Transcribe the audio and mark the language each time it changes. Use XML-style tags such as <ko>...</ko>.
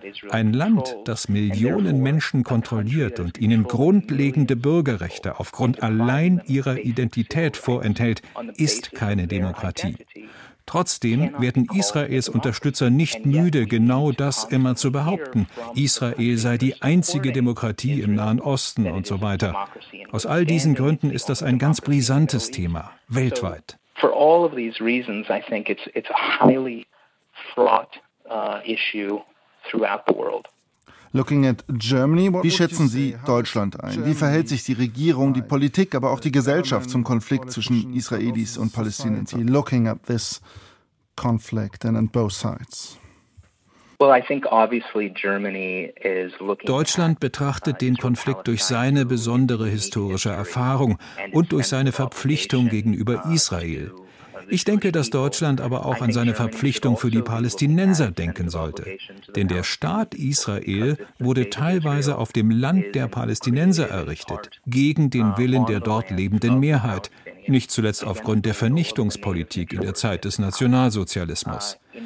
<de>Ein Land, das Millionen Menschen kontrolliert und ihnen grundlegende Bürgerrechte aufgrund allein ihrer Identität vorenthält, ist keine Demokratie. Trotzdem werden Israels Unterstützer nicht müde, genau das immer zu behaupten. Israel sei die einzige Demokratie im Nahen Osten und so weiter. Aus all diesen Gründen ist das ein ganz brisantes Thema, weltweit.</de> <en>For all of these reasons, I think it's a highly fraught issue throughout the world. Looking at Germany,</en> <de>wie schätzen Sie Deutschland ein? Wie verhält sich die Regierung, die Politik, aber auch die Gesellschaft zum Konflikt zwischen Israelis und Palästinensern?</de> <en>Looking at this conflict and on both sides. Well, I think obviously Germany is looking.</en> <de>Deutschland betrachtet den Konflikt durch seine besondere historische Erfahrung und durch seine Verpflichtung gegenüber Israel. Ich denke, dass Deutschland aber auch an seine Verpflichtung für die Palästinenser denken sollte. Denn der Staat Israel wurde teilweise auf dem Land der Palästinenser errichtet, gegen den Willen der dort lebenden Mehrheit, nicht zuletzt aufgrund der Vernichtungspolitik in der Zeit des Nationalsozialismus.</de>